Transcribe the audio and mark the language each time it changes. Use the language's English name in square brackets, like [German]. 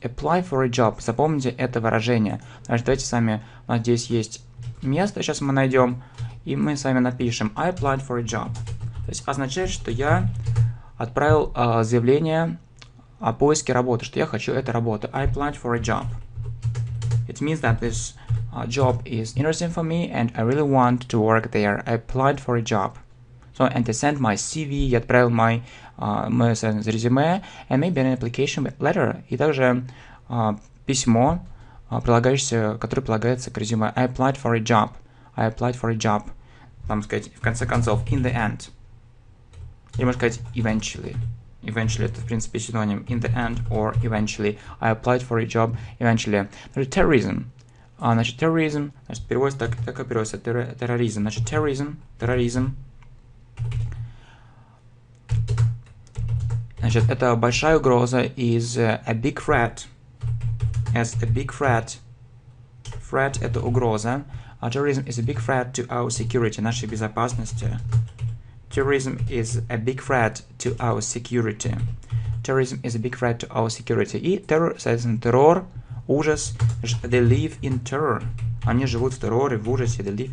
[Russian] Apply for a job, запомните это выражение. Значит, давайте с вами, у нас здесь есть место, сейчас мы найдем, и мы с вами напишем I applied for a job. То есть означает, что я отправил заявление о поиске работы, что я хочу эту работу. [English] I applied for a job. It means that this job is interesting for me, and I really want to work there. I applied for a job. So, and I sent my CV, я отправил мое резюме, and maybe an application letter. [Russian] И также письмо, которое прилагается к резюме. [English] I applied for a job. Там сказать, в конце концов, in the end. [Russian] Или можно сказать, eventually. Eventually, это, в принципе, синоним. [English] In the end or eventually. I applied for a job eventually. Terrorism. Значит, terrorism. [Russian] Значит, переводится так, как переводится. Терроризм. Значит, terrorism. Терроризм. Значит, это большая угроза. [English] Is a big threat. As a big threat. Threat – это угроза. Terrorism is a big threat to our security, нашей безопасности. Terrorism is a big threat to our security. Terrorism is a big threat to our security. [Russian] И террор, соответственно, террор, ужас. [English] They live in terror. [Russian] Они живут в терроре, в ужасе.